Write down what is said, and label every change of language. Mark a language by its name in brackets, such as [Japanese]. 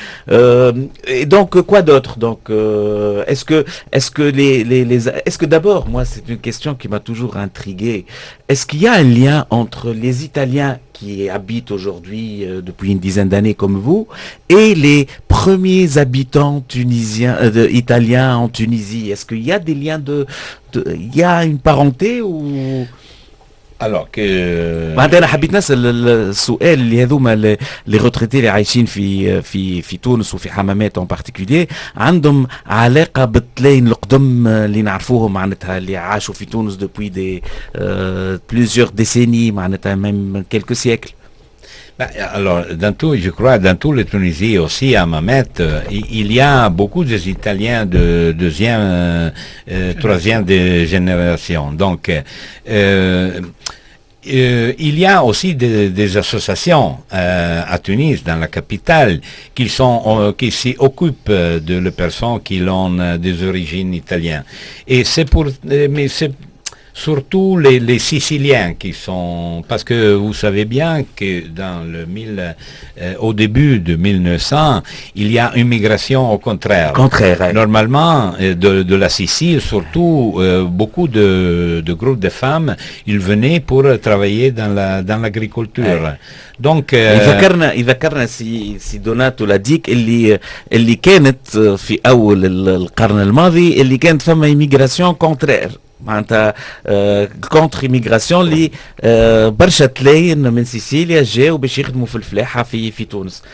[French] Et donc quoi d'autre? Donc est-ce que d'abord, moi c'est une question qui m'a toujours intrigué, est-ce qu'il y a un lien entre les Italiens qui habitent aujourd'hui depuis une dizaine d'années comme vous et les premiers habitants tunisiens italiens en Tunisie? Est-ce qu'il y a des liens de il y a une parenté ou... Alors que [Arabic] بعدين حبيت نسال السؤال اللي هذوما لي روتريتي اللي عايشين في تونس وفي حمامات [French] اون بارتيكولير [Arabic] عندهم علاقه بالتلاين القدم اللي نعرفوهم معناتها اللي عاشوا في تونس [French] دوبوي دي بليزيور ديسيني [Arabic] معناتها [French] ميم كلكو سيكل. Alors, dans toute la Tunisie aussi, à Mamet, il y a beaucoup d'Italiens de deuxième, troisième génération. Donc, il y a aussi des associations à Tunis, dans la capitale, qui s'y occupent de les personnes qui ont des origines italiennes. Et c'est pour, mais c'est surtout les Siciliens qui sont, parce que vous savez bien que dans le au début de 1900, il y a une migration au contraire. Contraire. Normalement, de la Sicile, surtout, beaucoup de groupes de femmes, ils venaient pour travailler dans l'agriculture. Donc, [Arabic] إذا كرنا سي دوناتو لديك اللي كانت في أول القرن الماضي اللي كانت فما [French] إيميغراسيون كونترير [Arabic] معناتها [French] كونتر إيميغراسيون [Arabic] اللي برشا تلاين من سيسيليا جاو باش يخدموا في الفلاحة في تونس.